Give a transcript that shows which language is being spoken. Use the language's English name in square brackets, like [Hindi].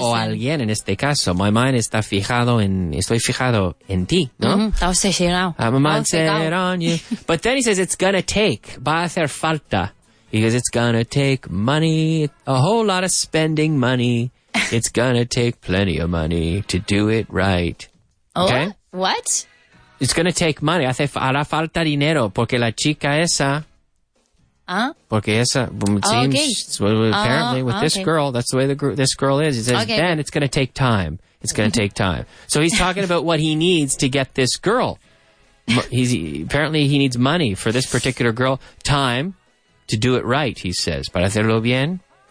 [Spanish] O alguien en este caso. [English] My mind [Spanish] está fijado en. Estoy fijado en ti, ¿no? Está obsesionado. [English] I have my mind set on you. But then he says it's gonna take. [Spanish] Va a hacer falta. [English] He goes, it's gonna take money. A whole lot of spending money. It's gonna take plenty of money to do it right. Okay? What? It's going to take money. [Spanish] Hace hará falta dinero porque la chica esa. Porque esa. [English] It seems, apparently, with this girl, that's the way this girl is. He says, then it's going to take time. It's going to take time. So he's talking about what he needs to get this girl. Apparently, he needs money for this particular girl. Time to do it right, he says. [Spanish] Para hacerlo bien.